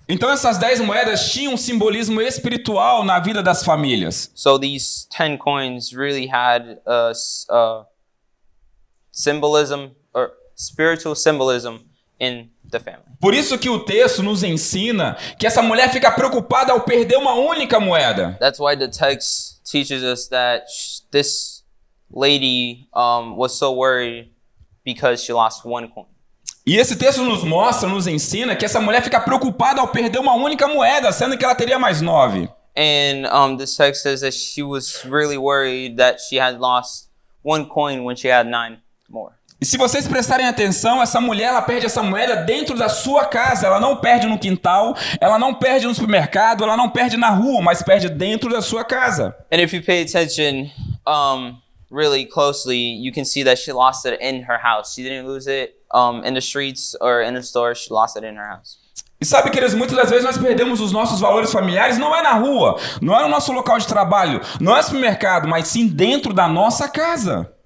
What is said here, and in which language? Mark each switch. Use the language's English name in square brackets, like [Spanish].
[Portuguese] Então essas 10 moedas tinham um simbolismo espiritual na vida das famílias. [English] So these 10 coins really had a symbolism or spiritual symbolism in the family. [Portuguese] Por isso que o texto nos ensina que essa mulher fica preocupada ao perder uma única moeda. [English] That's why the text teaches us that this lady was so worried because she lost one coin. [Portuguese] E esse texto nos mostra, nos ensina que essa mulher fica preocupada ao perder uma única moeda, sendo que ela teria mais 9. [English] And this text says that she was really worried that she had lost one coin when she had 9 more. [Portuguese] E se vocês prestarem atenção, essa mulher, ela perde essa moeda dentro da sua casa. Ela não perde no quintal, ela não perde no supermercado, ela não perde na rua, mas perde dentro da sua casa. [English] And if you pay attention really closely, you can see that she lost it in her house. She didn't lose it in the streets or in the store, she lost it in her house. [Portuguese] E sabe, queridos, muitas das vezes nós perdemos os nossos valores familiares, não é na rua, não é no nosso local de trabalho, não é no supermercado, mas sim dentro da nossa casa.